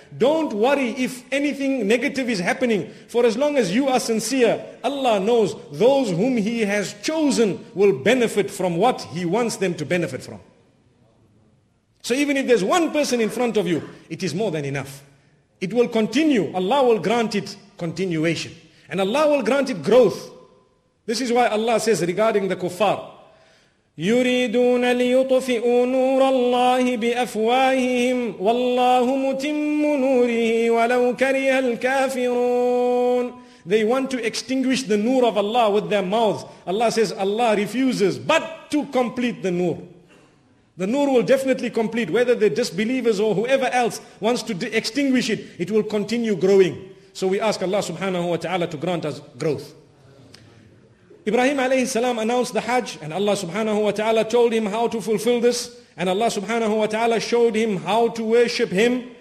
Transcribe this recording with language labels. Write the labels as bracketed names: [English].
[English] Don't worry if anything negative is happening. For as long as you are sincere, Allah knows those whom He has chosen will benefit from what He wants them to benefit from. So even if there's one person in front of you, it is more than enough. It will continue. Allah will grant it continuation. And Allah will grant it growth. This is why Allah says regarding the kuffar, [Arabic] يُرِيدُونَ لِيُطْفِئُوا نُورَ اللَّهِ بِأَفْوَاهِهِمْ وَاللَّهُ مُتِمُّ نُورِهِ وَلَوْ كَرِهَ الْكَافِرُونَ. [English] They want to extinguish the nur of Allah with their mouths. Allah says Allah refuses but to complete the nur. The nur will definitely complete, whether they're disbelievers or whoever else wants to extinguish it, it will continue growing. So we ask Allah subhanahu wa ta'ala to grant us growth. Ibrahim alayhi salam announced the Hajj, and Allah subhanahu wa ta'ala told him how to fulfill this, and Allah subhanahu wa ta'ala showed him how to worship Him.